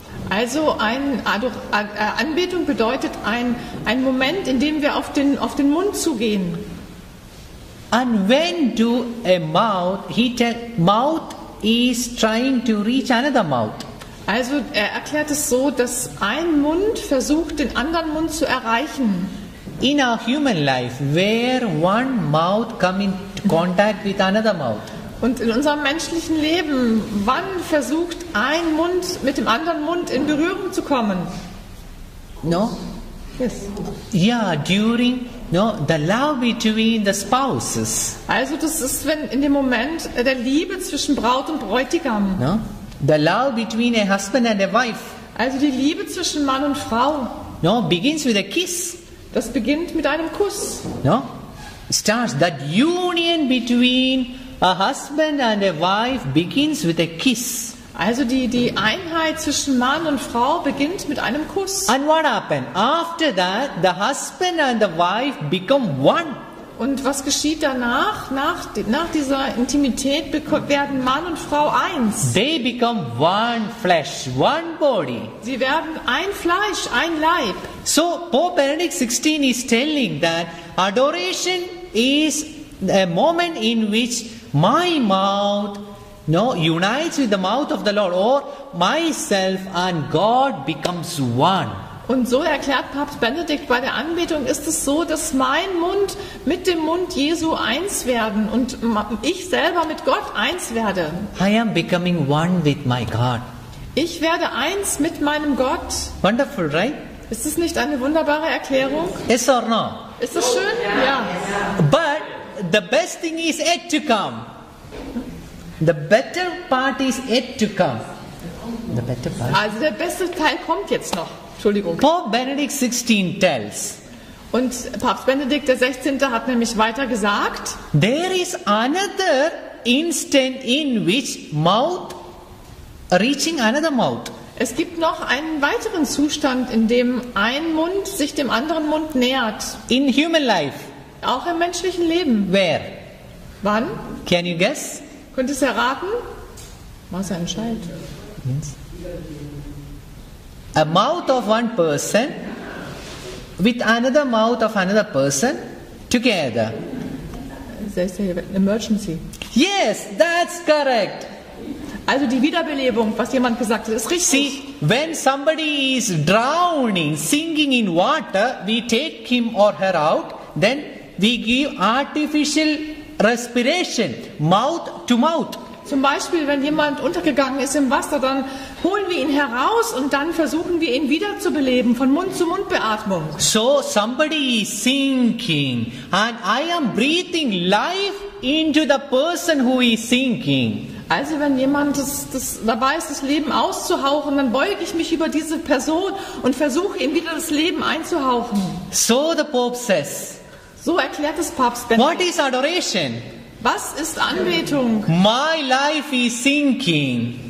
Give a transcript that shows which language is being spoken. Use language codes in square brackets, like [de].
[de] Also Anbetung bedeutet ein Moment, in dem wir auf den Mund zugehen. [en] And when do a mouth, he tell, mouth is trying to reach another mouth. [de] Also er erklärt es so, dass ein Mund versucht, den anderen Mund zu erreichen. [en] In our human life, where one mouth come in contact with another mouth. [de] Und in unserem menschlichen Leben, wann versucht ein Mund mit dem anderen Mund in Berührung zu kommen? [en] No? Yes. Yeah, during no, the love between the spouses. [de] Also das ist wenn in dem Moment der Liebe zwischen Braut und Bräutigam. [en] No? The love between a husband and a wife. [de] Also die Liebe zwischen Mann und Frau. [en] No, begins with a kiss. [de] Das beginnt mit einem Kuss. [en] No, starts that union between a husband and a wife begins with a kiss. [de] Also die Einheit zwischen Mann und Frau beginnt mit einem Kuss. [en] And what happened? After that, the husband and the wife become one. [de] Und was geschieht danach? Nach dieser Intimität werden Mann und Frau eins. [en] They become one flesh, one body. [de] Sie werden ein Fleisch, ein Leib. [en] So Pope Benedict XVI is telling that adoration is a moment in which my mouth unites with the mouth of the Lord, or myself and God becomes one. [de] Und so erklärt Papst Benedikt, bei der Anbetung ist es so, dass mein Mund mit dem Mund Jesu eins werden und ich selber mit Gott eins werde. [en] I am becoming one with my God. [de] Ich werde eins mit meinem Gott. [en] Wonderful, right? [de] Ist es nicht eine wunderbare Erklärung? [en] Yes or no? [de] Ist es schön? [en] Oh, yeah. [de] Ja. [en] But the best thing is yet to come. The better part is yet to come. The better part. [de] Also der beste Teil kommt jetzt noch. [en] Pope Benedict 16 tells. [de] Und Papst Benedikt der 16. hat nämlich weiter gesagt. [en] There is another instant in which mouth reaching another mouth. [de] Es gibt noch einen weiteren Zustand, in dem ein Mund sich dem anderen Mund nähert. [en] In human life. [de] Auch im menschlichen Leben. [en] Where? [de] Wann? [en] Can you guess? [de] Könntest du erraten? Was er entscheidet. [en] Yes. A mouth of one person with another mouth of another person together. They say emergency. Yes, that's correct. [de] Also die Wiederbelebung, was jemand gesagt hat, ist richtig. [en] See, when somebody is drowning, sinking in water, we take him or her out, then we give artificial respiration, mouth to mouth. [de] Zum Beispiel, wenn jemand untergegangen ist im Wasser, dann holen wir ihn heraus und dann versuchen wir ihn wieder zu beleben, von Mund zu Mund Beatmung. [en] So somebody is sinking and I am breathing life into the person who is sinking. [de] Also wenn jemand das dabei ist, das Leben auszuhauchen, dann beuge ich mich über diese Person und versuche ihm wieder das Leben einzuhauchen. [en] So the Pope says. [de] So erklärt es Papst Benedikt. [en] What is adoration? [de] Was ist Anbetung? [en] My life is sinking.